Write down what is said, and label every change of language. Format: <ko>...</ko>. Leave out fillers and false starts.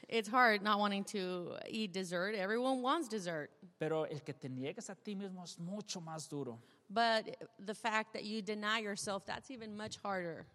<en>It's hard not wanting to eat dessert. Everyone wants dessert.</en> <es>Pero el que te niegues a ti mismo es mucho más duro.</es> <en>But the fact that you deny yourself, that's even much harder.</en>